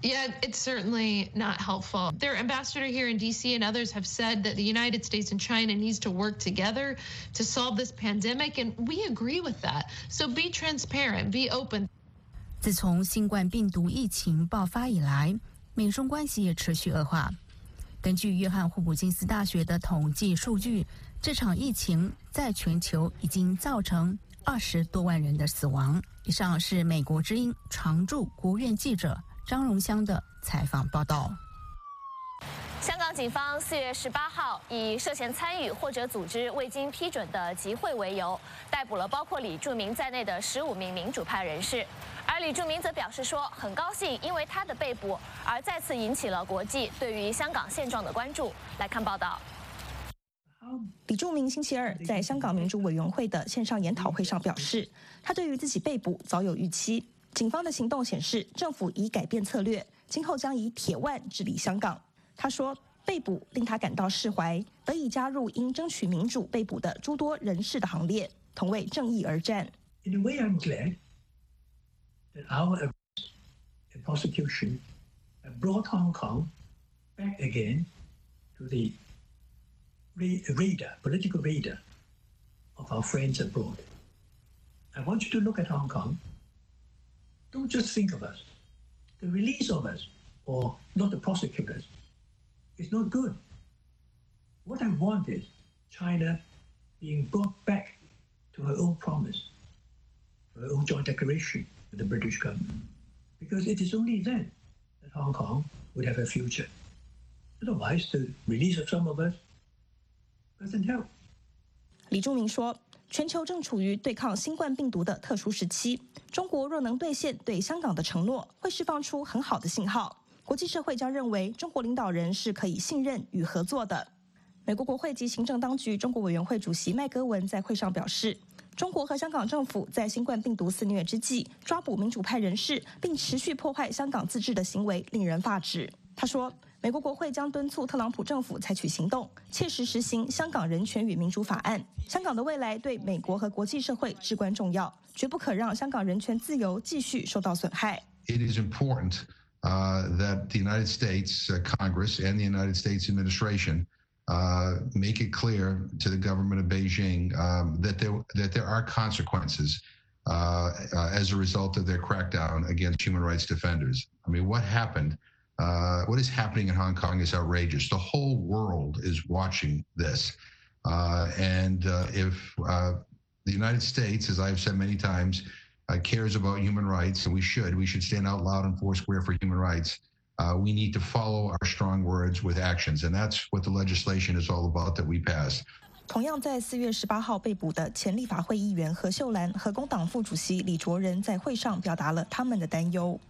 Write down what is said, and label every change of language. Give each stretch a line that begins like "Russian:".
English: Yeah, it's certainly not helpful. Their ambassador here in D.C. and others have said that the United States and China needs to work together to solve this pandemic, and we agree with that. So be transparent, be open.
Chinese: 自从新冠病毒疫情爆发以来，美中关系也持续恶化。根据约翰霍普金斯大学的统计数据，这场疫情在全球已经造成20多万人的死亡。以上是美国之音常驻国务院记者张荣香的采访报道。香港警方4月18号以涉嫌参与或者组织未经批准的集会为由，逮捕了包括李柱铭在内的15名民主派人士。而李柱铭则表示说，很高兴因为他的被捕而再次引起了国际对于香港现状的关注。来看报道。李柱铭星期二在香港民主委员会的线上研讨会上表示，他对于自己被捕早有预期，警方的行动显示政府已改变策略，今后将以铁腕治理香港。他说被捕令他感到释怀，得以加入因争取民主被捕的诸多人士的行列，同为正义而战。
English: In a way I'm glad that our arrest and prosecution brought Hong Kong back again to theRadar, political radar of our friends abroad. I want you to look at Hong Kong. Don't just think of us. the release of us, or not the prosecutors, is not good. What I want is China being brought back to her own promise, her own joint declaration with the British government, because it is only then that Hong Kong would have a future. Otherwise, the release of some of us doesn't help.
Chinese: 李柱明说，全球正处于对抗新冠病毒的特殊时期，中国若能兑现对香港的承诺，会释放出很好的信号，国际社会将认为中国领导人是可以信任与合作的。美国国会及行政当局中国委员会主席麦戈文在会上表示，中国和香港政府在新冠病毒肆虐之际抓捕民主派人士并持续破坏香港自治的行为令人发指。他说，美国国会将敦促特朗普政府采取行动，切实实行香港人权与民主法案。香港的未来对美国和国际社会至关重要，绝不可让香港人权自由继续受到损害。
English: It is important, that the United States, Congress and the United States administration, make it clear to the government of Beijing, that there are consequences, as a result of their crackdown against human rights defenders. I mean, what happened? What is happening in Hong Kong is outrageous. The whole world is watching this. The United States, as I've said many times, cares about human rights, and we should stand out loud and foursquare for human rights. We need to follow our strong words with actions. And that's what the legislation is all about that we passed.
Chinese: 同样在4月18号被捕的前立法会议员何秀兰和工党副主席李卓人在会上表达了他们的担忧。